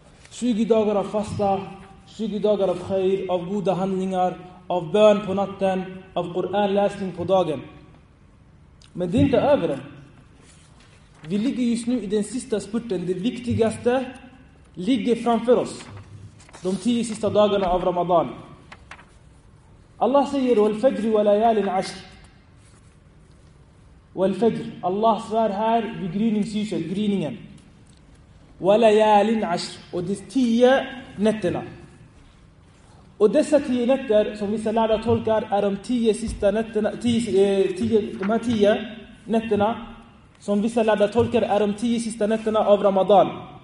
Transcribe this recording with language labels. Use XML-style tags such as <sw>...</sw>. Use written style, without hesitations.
<sv>20 dagar av fasta, 20 dagar av khair, av goda handlingar, av bön på natten, av Koranläsning på dagen. Men det är inte över. Vi ligger just nu i den sista spurten. Det viktigaste ligger framför oss. De 10 sista dagarna av Ramadan. Allah säger,</sv> <ar>والفجر وليال عشر. والفجر.</ar> <sv>Allah svär här vid gryningsljuset, gryningen.</sv> <ar>وليال عشر.</ar> <sv>Och det är 10 nätterna. Och dessa 10 nätter, som vissa lärda tolkar, är de 10 sista nätterna. De här 10 nätterna. Som vissa lärda tolkar är de 10 sista nätterna av Ramadan.</sv>